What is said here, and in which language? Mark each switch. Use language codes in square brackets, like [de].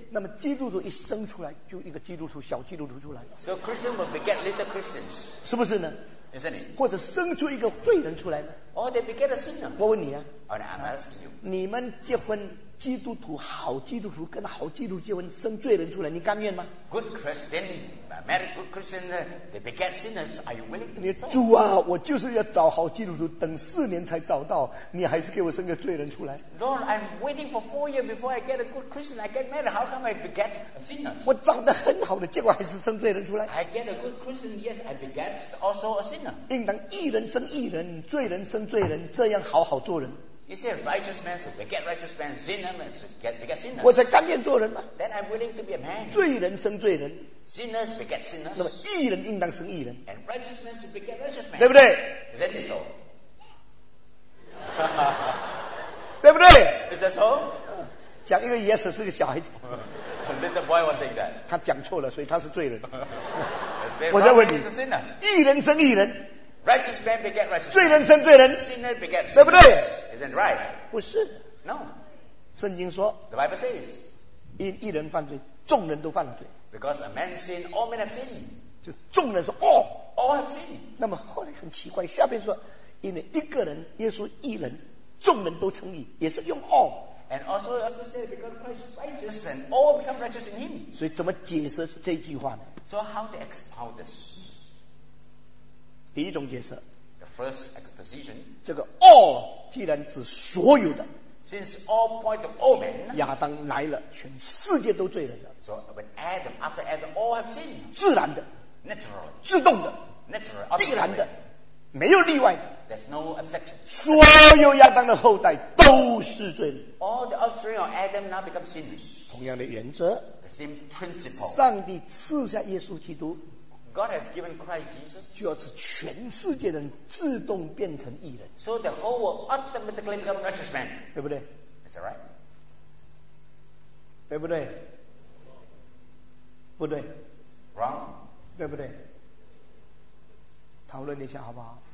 [zh] 那么基督徒一生出来就一个基督徒小基督徒出来 [en] So Christian will beget little Christians [zh] 是不是呢 [en] Isn't it? [zh] 或者生出一个罪人出来呢 [en] Or they beget a sinner [zh] 我问你啊 [en] I'm asking you [zh] 你们结婚基督徒好基督徒跟好基督徒结婚生罪人出来你甘愿吗 [en] Good Christian married good Christian they beget sinners are you willing to be so? [zh] 主啊我就是要找好基督徒等四年才找到你还是给我生个罪人出来 [en] Lord I'm waiting for 4 years before I get a good Christian I get married how come I beget sinners [zh] 我长得很好的结果还是生罪人出来 [en] I get a good Christian yes I beget also a sinner [zh] 应当义人生义人罪人生罪人这样好好做人 [en] You say righteous man should beget righteous man, sinner man should beget sinners. [zh] 我才甘愿做人吗 [en] Then I'm willing to be a man. [zh] 罪人生罪人 [en] Sinners beget sinners. [zh] 那么义人应当生义人 [en] And righteous man should beget righteous man. [zh] 对不对 [en] Is that so? [zh] 对不对 [en] Is that so? [zh] 讲一个 yes 是个小孩子 [en] Little boy was saying that. [zh] 他讲错了所以他是罪人 [en] say, [zh] 我再问你 [en] is a sinner. [zh] 义人生义人 [en] Righteous man beget righteous. [zh] 罪人生罪人 [en] ，sinner beget sinner. [zh] 对不对 [en] ？Isn't right? [zh] 不是。 [en] No. [zh] 圣经说 [en] ，The Bible says, [zh] 因一人犯罪，众人都犯了罪。 [en] Because a man sin, all men have sinned. [zh] 就众人说，哦 [en] ，all have sinned. [zh] 那么后来很奇怪，下边说，因为一个人，耶稣一人，众人都称义，也是用 all。 [en] And also say because Christ is righteous and all become righteous in Him. [zh] 所以怎么解释这句话呢 [en] ？So how to expound this? [zh] 第一种解释 [en] The first exposition [zh] 这个 all 既然指所有的 [en] Since all point to all men [zh] 亚当来了全世界都罪人了 [en] So when Adam after Adam all have sinned [zh] 自然的 [en] Natural [zh] 自动的 [en] Natural [zh] 必然的没有例外的 [en] There's no exception [zh] 所有亚当的后代都是罪人 [en] All the offspring of Adam now become sinners [zh] 同样的原则 [en] The same principle [zh] 上帝赐下耶稣基督 [en] God has given Christ Jesus. [zh] 就要是全世界人自动变成义人。 [en] So the whole world automatically become righteous man. [zh] 对不对 [en] ？Is that right? [zh] 对不对？不对。 [en] Wrong. [zh] 对不对？讨论一下好不好